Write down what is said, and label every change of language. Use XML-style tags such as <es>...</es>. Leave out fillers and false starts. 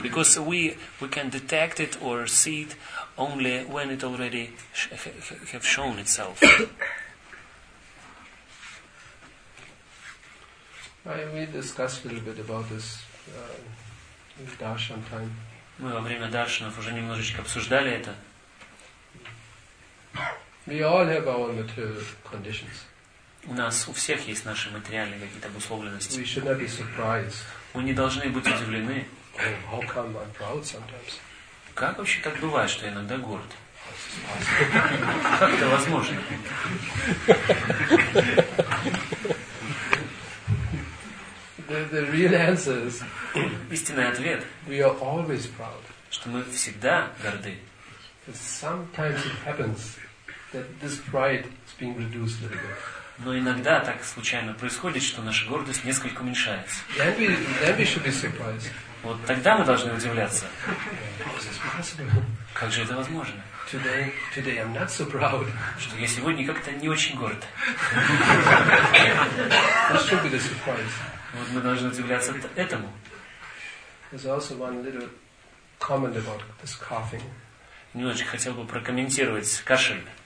<en>because we can detect it or see it only when it already have shown itself. We discussed a little bit about this in darshan time.</en> <ru>Мы во время даршанов уже немножечко обсуждали это.</ru> <en>We all have our material conditions.</en> <ru>У нас у всех есть наши материальные какие-то обусловленности.</ru> <en>We should not be surprised.</en> <ru>Мы не должны быть удивлены.</ru> <en>Oh, how come I'm proud sometimes?</en> <ru>Как вообще так бывает, что я иногда горд? Как это возможно?</ru> <en>The real answer is.</en> <ru>Истинный ответ.</ru> <en>We are always proud.</en> <ru>Что мы всегда горды.</ru> <en>Sometimes it happens that this pride is being reduced a little bit.</en> <ru>Но иногда так случайно происходит, что наша гордость несколько уменьшается.</ru> <en>Then we should be surprised.</en> <ru>Вот тогда мы должны удивляться.</ru> <en>How is this possible?</en> <ru>Как же это возможно?</ru> <en>Today I'm not so proud.</en> <ru>Что я сегодня как-то не очень горд.</ru> <en>This should be the surprise.</en> <ru>Вот мы должны удивляться этому.</ru> <en>There's also one little comment about this coughing.</en> <ru>Немножечко хотел бы прокомментировать кашель.</ru>